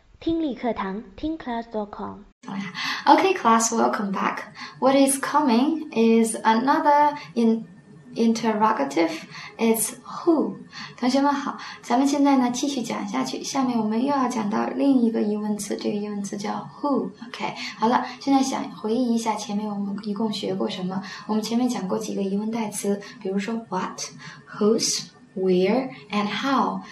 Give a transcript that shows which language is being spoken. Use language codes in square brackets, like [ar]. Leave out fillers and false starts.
[zh] 听力课堂，听 class.com。 [en] Okay, class, welcome back. What is coming is another interrogative. It's who? [zh] 同学们好，咱们现在呢继续讲下去，下面我们又要讲到另一个疑问词，这个疑问词叫 who. Okay, 好了，现在想回忆一下前面我们一共学过什么。我们前面讲过几个疑问代词，比如说 what, whose,Where and how?